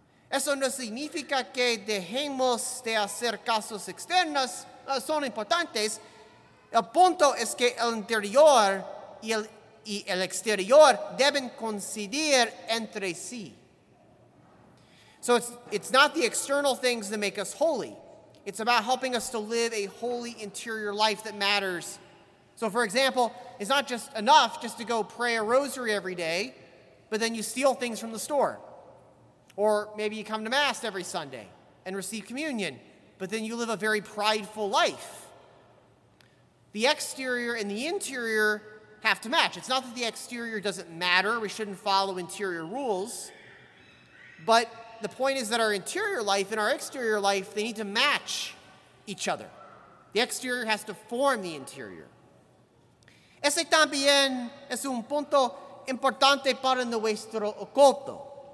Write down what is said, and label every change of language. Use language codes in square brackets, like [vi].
[es] Eso no significa que dejemos de hacer cosas externas, son importantes. El punto es que el interior y el exterior deben coincidir entre sí. [en] So it's not the external things that make us holy. It's about helping us to live a holy interior life that matters. So for example, it's not just enough just to go pray a rosary every day, but then you steal things from the store. Or maybe you come to Mass every Sunday and receive communion, but then you live a very prideful life. The exterior and the interior have to match. It's not that the exterior doesn't matter. We shouldn't follow interior rules. But the point is that our interior life and our exterior life, they need to match each other. The exterior has to form the interior. [es] Ese también es un punto importante para nuestro culto.